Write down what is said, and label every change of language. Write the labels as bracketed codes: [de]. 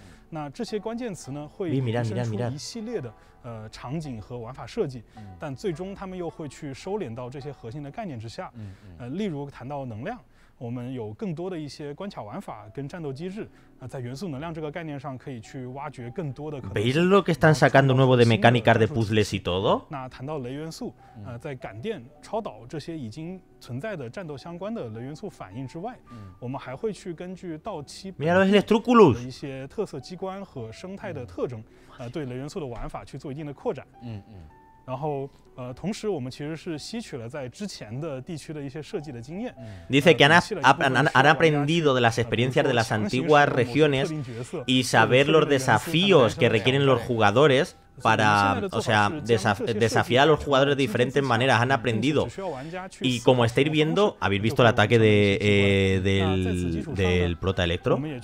[zh] 那这些关键词呢，会衍生出一系列的场景和玩法设计，但最终他们又会去收敛到这些核心的概念之下。例如谈到能量，我们有更多的一些关卡玩法跟战斗机制，在元素能量这个概念上可以去挖掘更多的可能。 [es] ¿Veis lo que están sacando nuevo de mecánicas de puzzles y todo? [zh] 那谈到雷元素，在感电、超导这些已经存在的战斗相关的雷元素反应之外，我们还会去根据到期的一些特色机关和生态的特征，对雷元素的玩法去做一定的扩展。然后同时我们其实是吸取了在之前的地区的一些设计的经验。 [es] Dice que han aprendido de las experiencias de las antiguas regiones y saber los desafíos que requieren los jugadores para, o sea, desafiar a los jugadores de diferentes maneras. Han aprendido. Y como estáis viendo, habéis visto el ataque de, del Prota Electro.